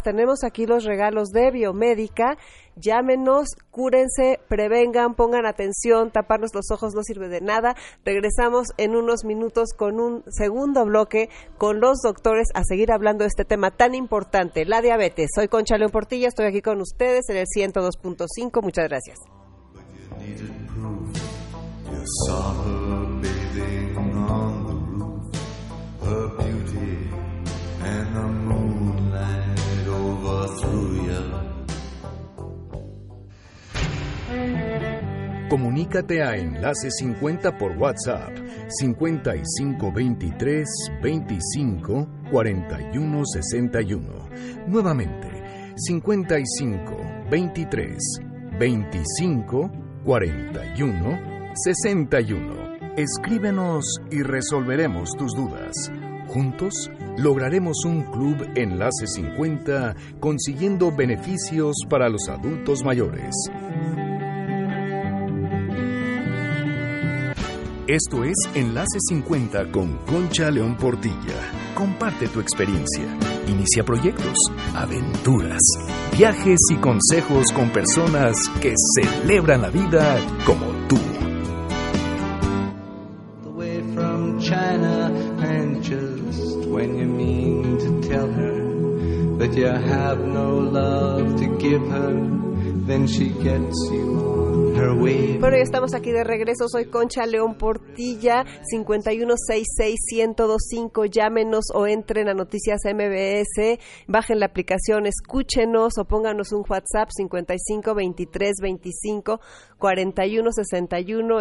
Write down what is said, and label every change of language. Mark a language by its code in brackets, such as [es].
[es] Tenemos aquí los regalos de Biomédica. Llámenos, cúrense, prevengan, pongan atención. Taparnos los ojos no sirve de nada. Regresamos en unos minutos con un segundo bloque con los doctores a seguir hablando de este tema tan importante, la diabetes. Soy Concha León Portilla, estoy aquí con ustedes en el 102.5. Muchas gracias. [en] Needed proof. You saw her bathing on the roof. Her beauty and the moonlight overthrew you. [es] Comunícate a Enlace 50 por WhatsApp 5523254161. Nuevamente 5523254161. Escríbenos y resolveremos tus dudas. Juntos lograremos un club Enlace 50 consiguiendo beneficios para los adultos mayores. Esto es Enlace 50 con Concha León Portilla. Comparte tu experiencia. Inicia proyectos, aventuras, viajes y consejos con personas que celebran la vida como tú. [en] The way from China, and just when you mean to tell her that you have no love to give her, then she gets you on. [es] Bueno, ya estamos aquí de regreso. Soy Concha León Portilla, 5166125. Llámenos o entren a Noticias MBS, bajen la aplicación, escúchenos o pónganos un WhatsApp 5523254161.